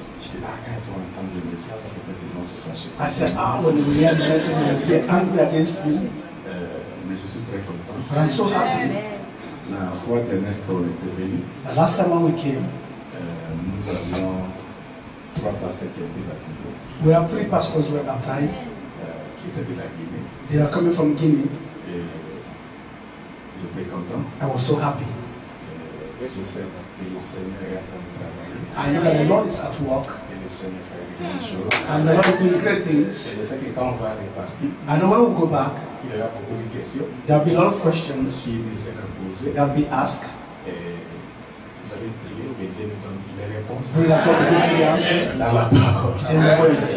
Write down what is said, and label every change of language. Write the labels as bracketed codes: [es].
[fr] J'étais, ah, quand ils vont entendre le message, peut-être ils vont se fâcher. [en] I said, ah, when we hear the message, they will be angry against me. [fr] Mais je suis très content. [en] But I'm so happy. [fr] La fois dernière qu'on était venu, [en] the last time when we came, [fr] nous avions 3 pasteurs qui ont été baptisés. [en] We have 3 pastors who were baptized. [fr] Qui étaient de la Guinée. [en] They are coming from Guinea. [fr] J'étais content. [en] I was so happy. [fr] Je sais parce que le Seigneur est en train de travailler. [en] I know that the Lord is at work. [fr] Et le Seigneur fait des grandes choses. [en] And the Lord is doing great things. [fr] Et je sais que quand on va repartir, [en] I know when we'll go back, [fr] il y aura beaucoup de questions. [en] There will be a lot of questions. [fr] Qui essaiera de poser. [en] There will be asked. [fr] Et vous allez prier, mais Dieu nous donne les réponses. Vous l'apportez les réponses. Dans la parole. [en] In the word.